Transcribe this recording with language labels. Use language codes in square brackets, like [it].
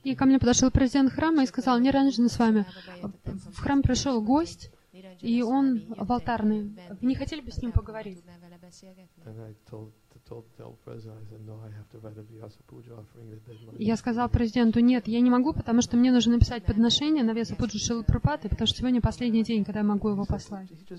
[ru] И ко мне подошел президент храма и сказал: Ниранджана с вами. В храм пришел гость, и он в алтарный. Вы не хотели бы с ним поговорить? [en] And I told the president, I said, no, I have to write a Vyasa Puja offering. [ru] Я сказал президенту: нет, я не могу, потому что мне нужно написать подношение на Вьяса Пуджу Шрилы Прабхупады, потому что сегодня последний день, когда я могу его послать.